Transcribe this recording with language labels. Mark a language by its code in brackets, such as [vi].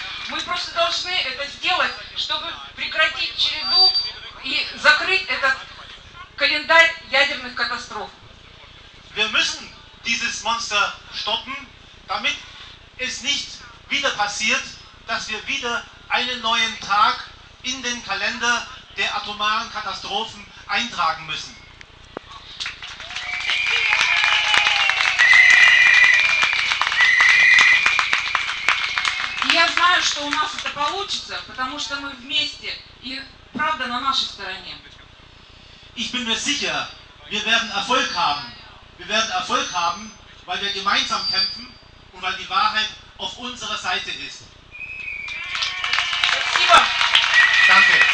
[ru] Мы просто должны это сделать, чтобы прекратить череду и закрыть этот календарь ядерных катастроф. [de] Wir müssen dieses Monster stoppen, damit es nicht wieder passiert, dass wir wieder einen neuen Tag in den Kalender der atomaren Katastrophen eintragen müssen. [ru] Я знаю, что у нас это получится, потому что мы вместе, и правда на нашей стороне. [de] Ich bin mir sicher, wir werden Erfolg haben. Wir werden Erfolg haben, weil wir gemeinsam kämpfen und weil die Wahrheit auf unserer Seite ist. Danke.